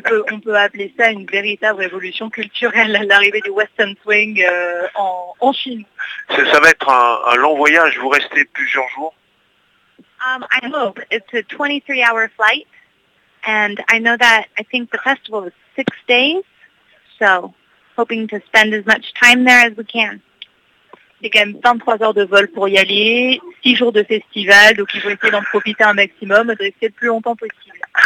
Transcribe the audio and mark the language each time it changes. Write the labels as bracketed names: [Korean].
[French] on peut appeler ça une véritable révolution culturelle, l'arrivée du Western Swing en Chine. Ça va être un long voyage, vous restez plusieurs jours? [English] I hope. It's a 23-hour flight, and I know that I think the festival is 6 days, so hoping to spend as much time there as we can. [French] C'est quand même 23 heures de vol pour y aller, 6 jours de festival, donc ils vont essayer d'en profiter un maximum, de rester le plus longtemps possible.